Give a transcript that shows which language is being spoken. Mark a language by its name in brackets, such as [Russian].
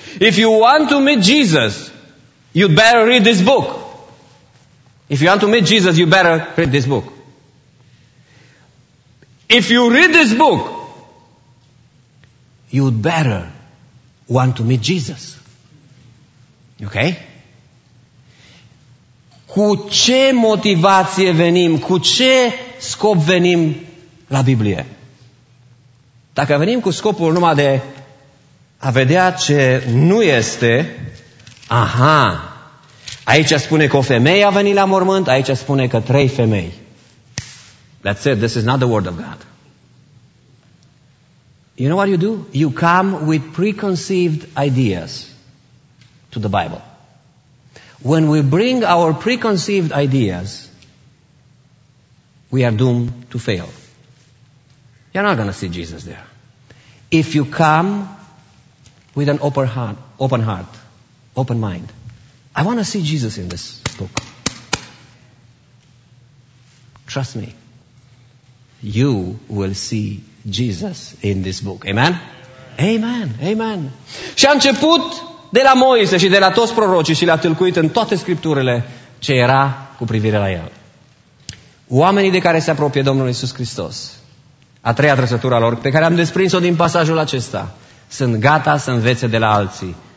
[English] If you want to meet Jesus, you better read this book. If you want to meet Jesus, you better read this book. If you read this book, you'd better want to meet Jesus. Ok? [Romanian] Cu ce motivație venim, cu ce scop venim la Biblie? Dacă venim cu scopul numai de a vedea ce nu este, aha, aici spune că o femeie a venit la mormânt, aici spune că trei femei. [English] That's it, this is not the word of God. You know what you do? You come with preconceived ideas to the Bible. When we bring our preconceived ideas, we are doomed to fail. You're not going to see Jesus there. If you come with an open heart, open mind, I want to see Jesus in this book. Trust me, you will see Jesus in this book. Amen? Amen, amen. [Romanian] Și a început de la Moise și de la toți prorocii și le-a tâlcuit în toate scripturile ce era cu privire la el. Oamenii de care se apropie Domnul Iisus Hristos, a treia trăsătură a lor, pe care am desprins-o din pasajul acesta, sunt gata să învețe de la alții.